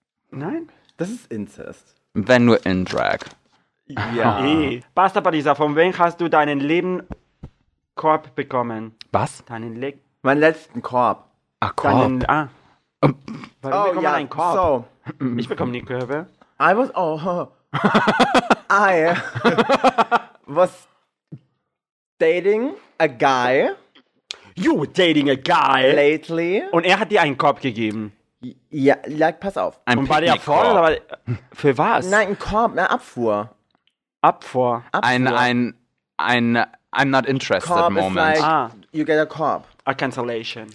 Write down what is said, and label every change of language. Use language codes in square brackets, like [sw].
[de] Nein? Das ist Inzest. Wenn nur in Drag. Ja. Basta Parisa, von wem hast du deinen lieben Korb bekommen? Was? Deinen Leg. Mein letzten Korb. Ach, Korb. Deinen, ah. Warum oh, bekommen ja, einen Korb? So. Ich bekomme die Körbe. [en] I was, oh, I was dating a guy. You were dating a guy. Lately. [de] Und er hat dir einen Korb gegeben. Ja, [en] like, [de] pass auf. Ein Picknick-Korb. Und war der voll, oder war, für was? Nein, ein Korb, eine Abfuhr. Abfuhr? Ein [en] I'm not interested [de] Korb [en] moment. [de] Korb ist [en] like, you get a Korb. A cancellation.